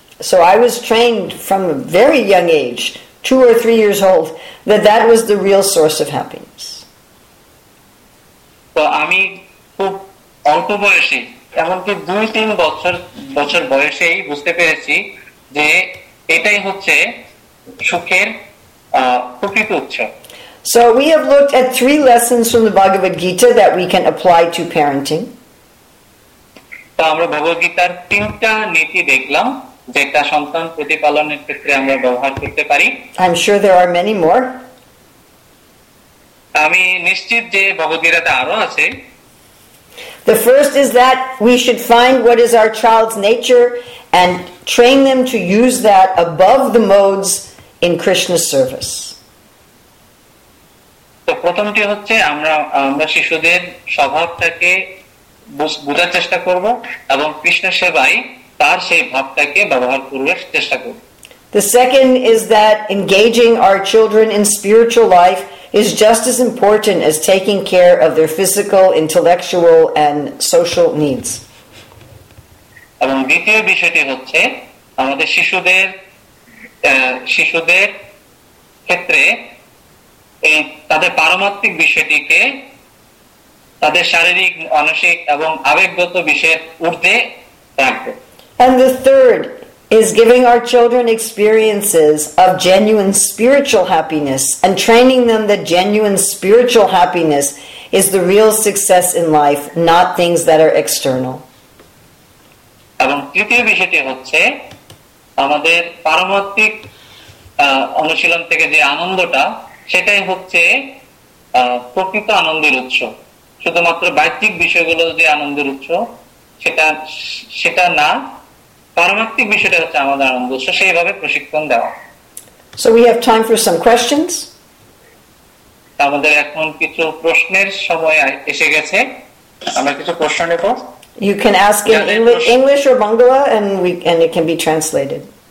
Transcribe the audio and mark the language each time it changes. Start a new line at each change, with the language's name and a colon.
English: So I was trained from a very young age, 2 or 3 years old, that that was the real source of happiness. So I'm very young age.
Bangla: এমনকি 2-3 বছর বয়সেই বুঝতে পেরেছি যে এটাই হচ্ছে সুখের প্রকৃত উৎস
English: So we have looked at three lessons from the Bhagavad Gita that we can apply to parenting.
Bangla: আমরা ভগবদ গীতার তিনটা নীতি দেখলাম যেটা সন্তান প্রতিপালনের ক্ষেত্রে আমরা ব্যবহার করতে পারি.
English: I'm sure there are many more.
Bangla: আমি নিশ্চিত যে ভগবদ গীতাতে আরো আছে.
English: The first is that we should find what is our child's nature and train them to use that above the modes in Krishna's service.
Bangla: প্রথমটি হচ্ছে আমরা আমরা শিশুদের স্বভাবটাকে বোঝার চেষ্টা করব এবং কৃষ্ণ সেবায় তার সেই ভাবটাকে ব্যবহার করার চেষ্টা করব
English: The second is that engaging our children in spiritual life is just as important as taking care of their physical, intellectual and social needs.
Bangla: এবং দ্বিতীয় বিষয়টি হচ্ছে আমাদের শিশুদের শিশুদের ক্ষেত্রে এই তাদের পারমার্থিক বিষয়টিকে তাদের শারীরিক মানসিক এবং আবেগগত বিষয়ের ঊর্ধ্বে রাখবে
English: And the third is giving our children experiences of genuine spiritual happiness and training them that genuine spiritual happiness is the real success in life not things that are external
Bangla: এবং তৃতীয় বিষয়টি হচ্ছে আমাদের পারমার্থিক অনুশীলন থেকে যে আনন্দটা সেটাই হচ্ছে প্রকৃত আনন্দের উৎস শুধুমাত্র বাহ্যিক বিষয়গুলো যে আনন্দের উৎস সেটা সেটা না পারমার্থিক বিষয়টা হচ্ছে আমাদের আনন্দ উৎস সেইভাবে প্রশিক্ষণ দেওয়া
English: So we have time for some questions
Bangla: আমাদের এখন কিছু প্রশ্নের সময় এসে গেছে আমরা কিছু প্রশ্ন নেব
English: You can ask in English or Bangla and it can be translated